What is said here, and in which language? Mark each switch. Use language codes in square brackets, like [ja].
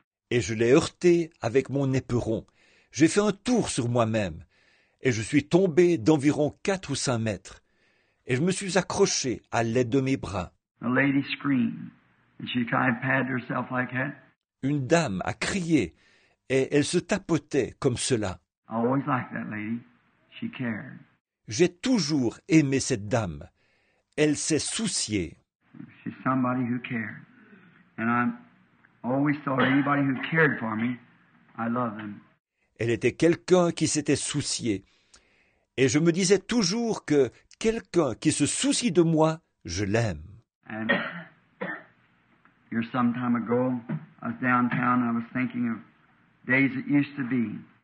[fr] Et je l'ai heurté avec mon éperon. J'ai fait un tour sur moi-même. Et je suis tombé d'environ 4 ou 5 mètres. Et je me suis accroché à l'aide de mes bras. [en] The lady screamed, and she kind of patted herself like that. [fr] Une dame a crié et elle se tapotait comme cela. [en] I always liked that lady. She cared. [fr] J'ai toujours aimé cette dame. Elle s'est souciée. [en] She's somebody who cared. And I always thought anybody who cared for me, I love them. [fr] Elle était quelqu'un qui s'était soucié. Et je me disais toujours que quelqu'un qui se soucie de moi, je l'aime. [en] And here some time ago, I was downtown and I was thinking of days it used to be.